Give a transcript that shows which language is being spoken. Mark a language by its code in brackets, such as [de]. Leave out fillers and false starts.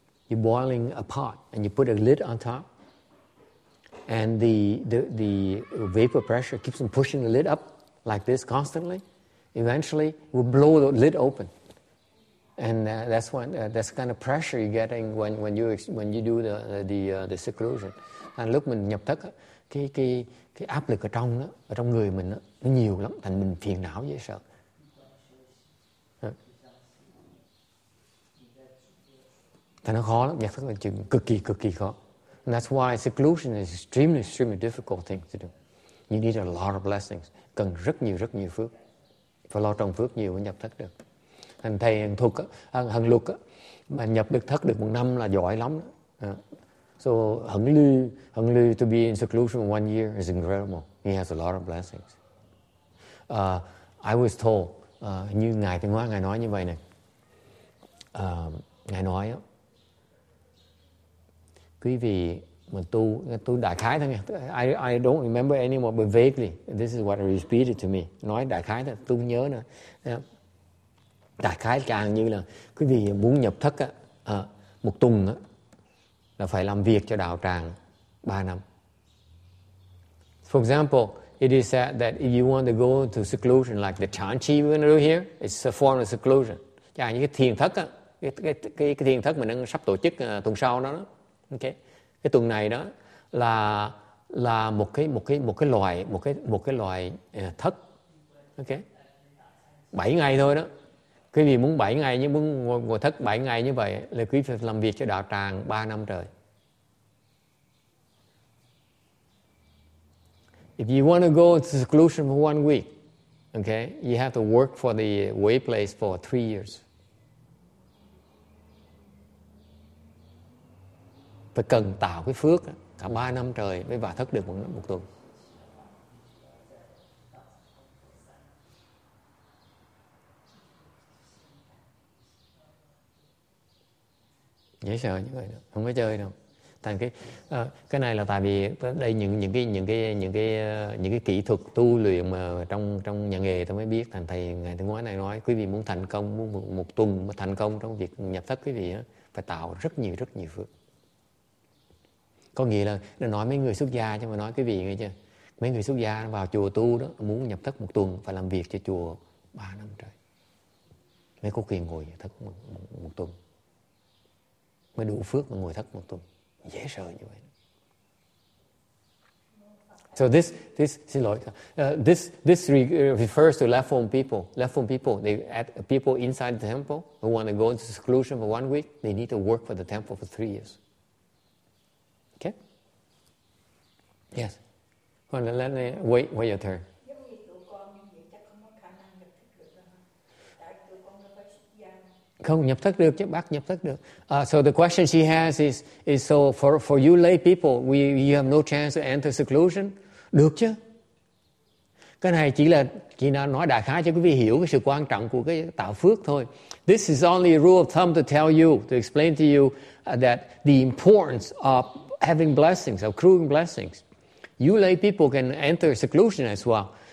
[en] You're boiling a pot and you put a lid on top, and the vapor pressure keeps on pushing the lid up like this constantly. Eventually, it will blow the lid open, and that's the kind of pressure you're getting when you do the seclusion. [vi] And lúc mình nhập thất, cái áp lực ở trong người mình nó nhiều lắm, thành mình phiền não dễ sợ. Thành nó khó lắm, nhập thất là chuyện cực kỳ khó. [en] And that's why seclusion is extremely, extremely difficult thing to do. You need a lot of blessings. [vi] Cần rất nhiều phước. Phải lo trồng phước nhiều mới nhập thất được. Thành thầy Hằng Thục, Hằng Luật, mà nhập được thất được một năm là giỏi lắm. [en] So Hằng Lư to be in seclusion for 1 year is incredible. He has a lot of blessings. I was told, [vi] như Ngài Tiếng Hoa, Ngài nói như vậy này. Ngài nói á, quý vị mà tu đại khái thôi nha. [en] I don't remember anymore, but vaguely, this is what he repeated to me. [vi] Nói đại khái thôi, tu nhớ nè. Đại khái càng như là quý vị muốn nhập thất á, một tuần á, là phải làm việc cho đạo tràng 3 năm. [en] For example, it is said that if you want to go to seclusion like the Chan Chi we're going to do here, it's a form of seclusion. [vi] Chẳng như cái thiền thất á, cái thiền thất mình đang sắp tổ chức tuần sau đó. Okay. Cái tuần này đó là một cái loại thất. Okay. 7 ngày thôi đó. Quý vị muốn 7 ngày như muốn ngồi thất 7 ngày như vậy là quý vị làm việc cho đạo tràng 3 năm trời. [en] If you want to go to seclusion for 1 week, Okay, you have to work for the Wei place for 3 years. [vi] Phải cần tạo cái phước cả 3 năm trời mới vào thất được một tuần. Dễ sợ những người đó, không có chơi đâu. Thành cái này là tại vì đây những cái kỹ thuật tu luyện mà trong nhà nghề tôi mới biết. Thành thầy ngày thứ này nói quý vị muốn thành công, muốn một tuần mà thành công trong việc nhập thất, quý vị á phải tạo rất nhiều phước. Có nghĩa là nó nói mấy người xuất gia, chứ mà nói quý vị nghe chưa, mấy người xuất gia vào chùa tu đó muốn nhập thất một tuần phải làm việc cho chùa 3 năm trời mới có quyền ngồi thất một tuần, mới đủ phước mà ngồi thất một tuần. Dễ sợ như vậy. [en] So this [vi] xin lỗi, [en] this refers to left home people, they at people inside the temple who want to go into seclusion for 1 week, they need to work for the temple for 3 years. Okay, yes, well, let me wait your turn. [vi] Không nhập thất được chứ, bác nhập thất được. [en] So the question she has is so for you lay people, you have no chance to enter seclusion. [vi] Được chứ. Cái này chỉ là nói đại khái cho quý vị hiểu cái sự quan trọng của cái tạo phước thôi. [en] This is only a rule of thumb to tell you, to explain to you that the importance of having blessings, of accruing blessings. You lay people can enter seclusion as well.